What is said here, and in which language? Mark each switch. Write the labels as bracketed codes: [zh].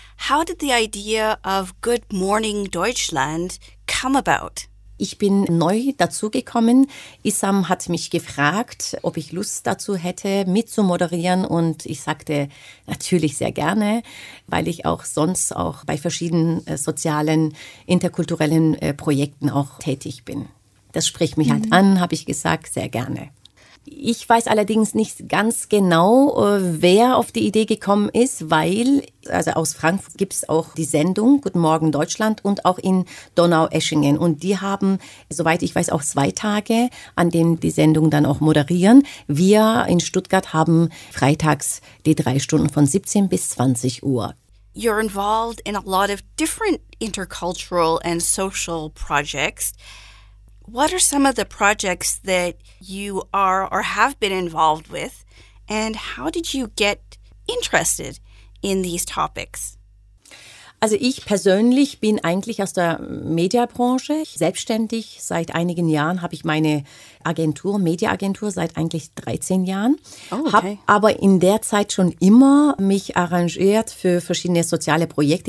[en] How did the idea of Good Morning Deutschland come about? [de] Ich bin neu dazugekommen. Issam hat mich gefragt, ob ich Lust dazu hätte, mitzumoderieren. Und ich sagte natürlich sehr gerne, weil ich auch sonst auch bei verschiedenen sozialen, interkulturellen Projekten auch tätig bin. Das spricht mich halt an, habe ich gesagt, sehr gerne. Ich weiß allerdings nicht ganz genau, wer auf die Idee gekommen ist, weil, also aus Frankfurt gibt es auch die Sendung Guten Morgen Deutschland und auch in Donaueschingen. Und die haben, soweit ich weiß, auch 2 Tage, an denen die Sendung dann auch moderieren. Wir in Stuttgart haben freitags die 3 Stunden von 17 bis 20 Uhr. [en] You're involved in a lot of different intercultural and social projects. What are some of the projects that you are or have been involved with, and how did you get interested in these topics? [de] Also ich persönlich bin eigentlich aus der Mediabranche selbstständig. Seit einigen Jahren habe ich meine Agentur, Mediaagentur, seit eigentlich 13 Jahren. [en] Oh, okay. [de] Habe aber in der Zeit schon immer mich arrangiert für verschiedene soziale Projekte.